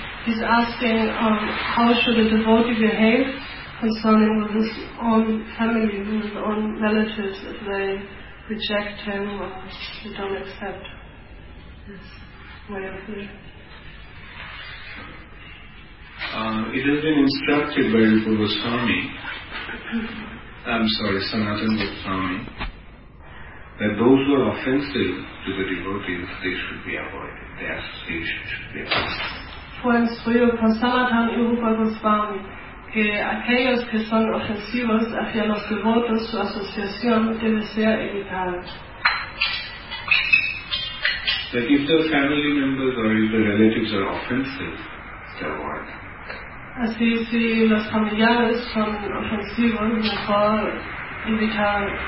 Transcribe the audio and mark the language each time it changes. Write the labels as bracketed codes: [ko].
[en] He's asking how should a devotee behave concerning with his own family, with his own relatives, if they reject him or they don't accept his way of life. It has been instructed by Rupa Goswami. I'm sorry, Sanatan Goswami, that those who are offensive to the devotees, they should be avoided. Their association should be avoided. [es] Fue instruido por Sanatan y Rupa Goswami que aquellos que son ofensivos hacia los devotos, su asociación debe ser evitada. [en] That if the family members or if the relatives are offensive, they avoid them. [es] Así, si los familiares son ofensivos, mejor invitar.